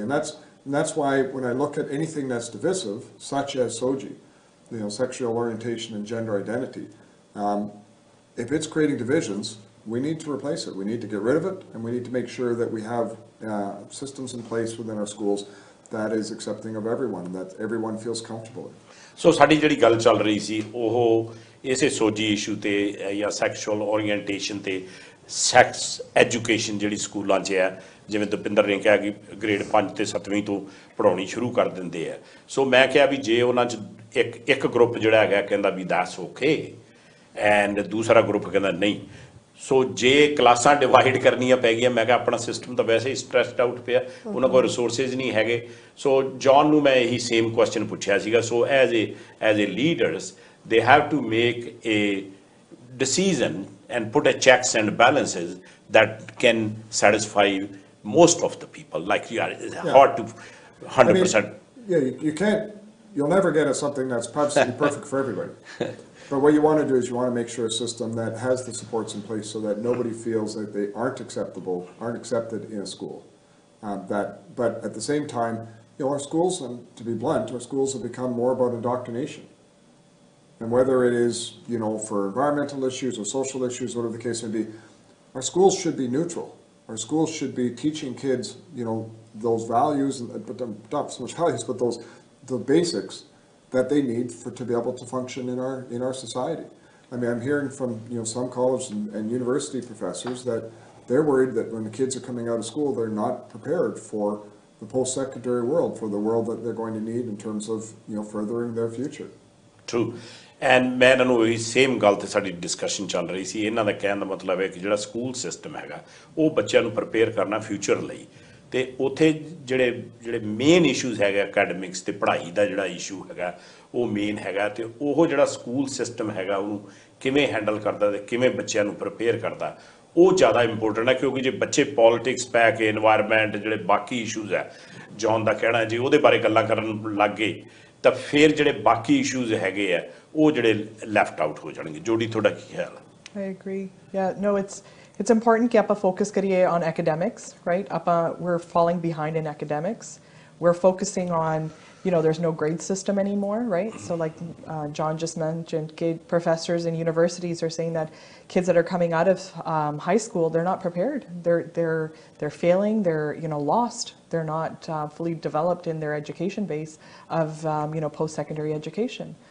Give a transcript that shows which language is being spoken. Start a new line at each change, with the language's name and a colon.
English: And that's why when I look at anything that's divisive, such as SOGI, you know, sexual orientation and gender identity, if it's creating divisions, we need to replace it. We need to get rid of it, and we need to make sure that we have systems in place within our schools that is accepting of everyone, that everyone feels comfortable.
Punjabi: So, ਸਾਡੀ ਜਿਹੜੀ ਗੱਲ ਚੱਲ ਰਹੀ ਸੀ ਉਹ ਇਸੇ ਸੋਜੀ issue ਤੇ ਜਾਂ ਸੈਕਸ਼ੁਅਲ orientation ਤੇ ਸੈਕਸ ਐਜੂਕੇਸ਼ਨ ਜਿਹੜੀ ਸਕੂਲਾਂ 'ਚ ਹੈ ਜਿਵੇਂ ਦੁਪਿੰਦਰ ਨੇ ਕਿਹਾ ਕਿ ਗ੍ਰੇਡ 5 ਤੇ 7ਵੀਂ ਤੋਂ ਪੜ੍ਹਾਉਣੀ ਸ਼ੁਰੂ ਕਰ ਦਿੰਦੇ ਆ ਸੋ ਮੈਂ ਕਿਹਾ ਵੀ ਜੇ ਉਹਨਾਂ 'ਚ ਇੱਕ ਗਰੁੱਪ ਜਿਹੜਾ ਹੈਗਾ ਕਹਿੰਦਾ ਵੀ ਦੱਸ ਓਕੇ ਐਂਡ ਦੂਸਰਾ ਗਰੁੱਪ ਕਹਿੰਦਾ ਨਹੀਂ ਸੋ ਜੇ ਕਲਾਸਾਂ ਡਿਵਾਈਡ ਕਰਨੀਆਂ ਪੈ ਗਈਆਂ ਮੈਂ ਕਿਹਾ ਆਪਣਾ ਸਿਸਟਮ ਤਾਂ ਵੈਸੇ ਹੀ ਸਟ੍ਰੈਸਡ ਆਊਟ ਪਿਆ ਉਹਨਾਂ ਕੋਲ ਰਿਸੋਰਸਿਜ਼ ਨਹੀਂ ਹੈਗੇ ਸੋ ਜੋਨ ਨੂੰ ਮੈਂ ਇਹੀ ਸੇਮ ਕੁਐਸਚਨ ਪੁੱਛਿਆ ਸੀਗਾ
English: So as a leaders they have to make a decision and put a checks and balances that can satisfy most of the people like you are hard to 100% You'll never get a something that's absolutely perfect for everybody. But what you want to do is you want to make sure a system that has the supports in place so that nobody feels that they aren't accepted in a school. But at the same time, you know, our schools, and to be blunt, our schools have become more about indoctrination. And whether it is, you know, for environmental issues or social issues, whatever the case may be, our schools should be neutral. Our schools should be teaching kids, you know, those values, but not so much values, but those the basics that they need for to be able to function in our society. I mean, I'm hearing from, you know, some college and university professors that they're worried that when the kids are coming out of school, they're not prepared for the post-secondary world, for the world that they're going to need in terms of, you know, furthering their future. True.
Punjabi: And ਮੈਂ ਇਹਨਾਂ ਨੂੰ ਉਹੀ same ਗੱਲ 'ਤੇ ਸਾਡੀ discussion ਚੱਲ ਰਹੀ ਸੀ ਇਹਨਾਂ ਦਾ ਕਹਿਣ ਦਾ ਮਤਲਬ ਹੈ ਕਿ ਜਿਹੜਾ ਸਕੂਲ ਸਿਸਟਮ ਹੈਗਾ ਉਹ ਬੱਚਿਆਂ ਨੂੰ ਪ੍ਰਪੇਅਰ ਕਰਨਾ ਫਿਊਚਰ ਲਈ ਤੇ ਉੱਥੇ ਜਿਹੜੇ ਜਿਹੜੇ ਮੇਨ ਇਸ਼ੂਜ਼ ਹੈਗੇ ਅਕੈਡਮਿਕਸ ਤੇ ਪੜ੍ਹਾਈ ਦਾ ਜਿਹੜਾ ਇਸ਼ੂ ਹੈਗਾ ਉਹ ਮੇਨ ਹੈਗਾ ਤੇ ਉਹ ਜਿਹੜਾ ਸਕੂਲ ਸਿਸਟਮ ਹੈਗਾ ਉਹਨੂੰ ਕਿਵੇਂ ਹੈਂਡਲ ਕਰਦਾ ਤੇ ਕਿਵੇਂ ਬੱਚਿਆਂ ਨੂੰ ਪ੍ਰਿਪੇਅਰ ਕਰਦਾ ਉਹ ਜ਼ਿਆਦਾ ਇੰਪੋਰਟੈਂਟ ਹੈ ਕਿਉਂਕਿ ਜੇ ਬੱਚੇ ਪੋਲਿਟਿਕਸ ਪੈ ਕੇ ਇਨਵਾਇਰਮੈਂਟ ਜਿਹੜੇ ਬਾਕੀ ਇਸ਼ੂਜ਼ ਹੈ ਜੌਨ ਦਾ ਕਹਿਣਾ ਜੀ ਉਹਦੇ ਬਾਰੇ ਗੱਲਾਂ ਕਰਨ ਲੱਗ ਗਏ ਤਾਂ ਫਿਰ ਜਿਹੜੇ ਬਾਕੀ ਇਸ਼ੂਜ਼ ਹੈਗੇ ਆ ਉਹ ਜਿਹੜੇ ਲੈਫਟ ਆਊਟ ਹੋ ਜਾਣਗੇ ਜੋੜੀ ਤੁਹਾਡਾ ਕੀ ਖਿਆਲ ਹੈ
English: I agree you know it's important
Punjabi: ਕਿ ਆਪਾਂ ਫੋਕਸ ਕਰੀਏ
English: On academics right ਆਪਾਂ we are falling behind in academics we are focusing on You know, there's no grade system anymore, right? So like John just mentioned, kid professors and universities are saying that kids that are coming out of high school, they're not prepared. They're failing, they're, you know, lost. They're not fully developed in their education base of, you know, post-secondary education.